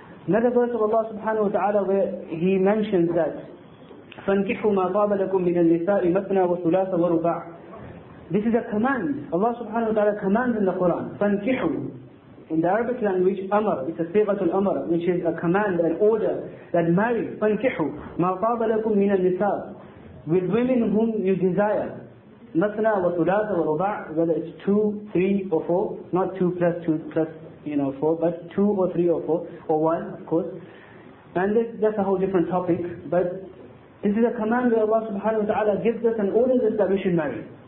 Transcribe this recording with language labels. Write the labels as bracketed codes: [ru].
[en] Another verse of Allah subhanahu wa ta'ala where He mentions that, [ar] فَانْكِحُوا مَا طَابَ لَكُمْ مِنَ النِّسَاءِ مَثْنَى وَثُلَاثَ وَرُبَاعَ. [en] This is a command. Allah subhanahu wa ta'ala commands in the Quran. فَانْكِحُوا. In the Arabic language, amr, it's a sighatul amr, which is a command, an order, that marry. [ar] فَانْكِحُوا مَا طَابَ لَكُمْ مِنَ النِّسَاءِ, [en] with women whom you desire. [ar] مَثْنَى وَثُلَاثَ وَرُبَاعَ, [en] whether it's 2, 3, or 4, not 2 plus 2 plus, you know, 4, but 2 or 3 or 4 or 1, of course. And that's a whole different topic, but this is a command where Allah subhanahu wa ta'ala gives us and orders us that we should marry.